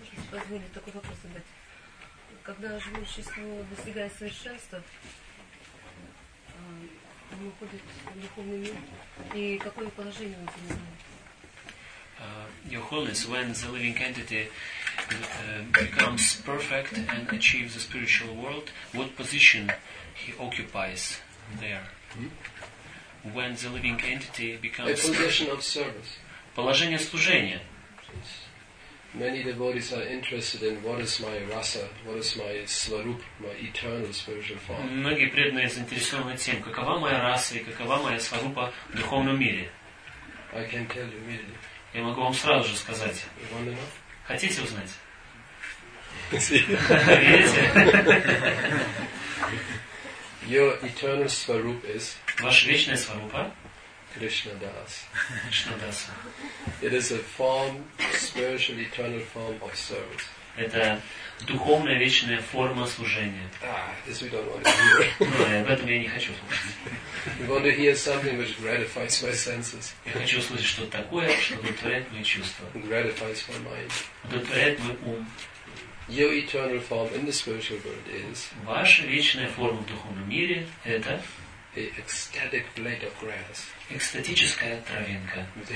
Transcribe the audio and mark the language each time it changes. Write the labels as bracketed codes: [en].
[ru] Позволить такой вопрос задать. Когда живое существо достигает совершенства, он уходит в духовный мир. И какое положение он занимает? [en] Your Holiness, when the living entity becomes perfect and achieves the spiritual world, what position he occupies there? Mm-hmm. When the living entity becomes... A position of service. [ru] Положение служения. [en] Many devotees are interested in what is my rasa, what is my svarup, my eternal spiritual form. [ru] Многие преданные заинтересованы тем, какова моя раса и какова моя сварупа в духовном мире. [en] I can tell you immediately. [ru] Я могу вам сразу же сказать. [en] You want to know? [ru] Хотите узнать? Видите? [en] Your eternal svarup is. [ru] Ваша вечная сварупа. [en] Krishna Das. [ru] Krishna Das. [en] It is a form, spiritual, eternal form of service. [ru] Это духовная вечная форма служения. [en] This we don't want to hear. [ru] Об этом я не хочу слушать. [en] We want to hear something which gratifies my senses. [ru] Я хочу услышать что-то такое, что удовлетворяет мои чувства. [en] Gratifies my mind. [ru] Удовлетворяет мой ум. [en] Your eternal form in the spiritual world is. [ru] Ваша вечная форма в духовном мире это. [en] A ecstatic blade of grass. [ru] Экстатическая травинка.